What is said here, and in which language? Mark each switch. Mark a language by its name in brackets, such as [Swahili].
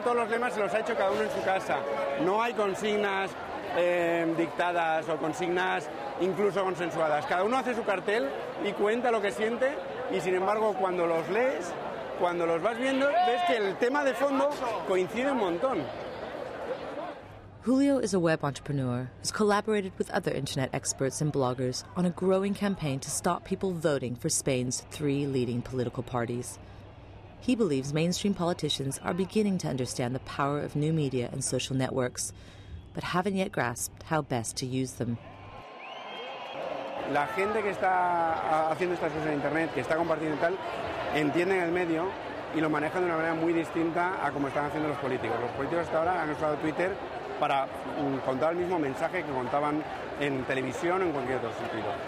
[Spanish] Todos los lemas se los ha hecho cada uno en su casa. No hay consignas dictadas o consignas incluso consensuadas. Cada uno hace su cartel y cuenta lo que siente y, sin embargo, cuando los lees, cuando los vas viendo, ves que el tema de fondo coincide un montón. [English] Julio is a web entrepreneur who's collaborated with other internet experts and bloggers on a growing campaign to stop people voting for Spain's three leading political parties. He believes mainstream politicians are beginning to understand the power of new media and social networks, but haven't yet grasped how best to use them. [Spanish] La gente que está haciendo estas cosas en internet, que está compartiendo tal, entienden el medio y lo manejan de una manera muy distinta a como están haciendo los políticos. Los políticos hasta ahora han usado Twitter para contar el mismo mensaje que contaban en televisión o en cualquier otro sitio.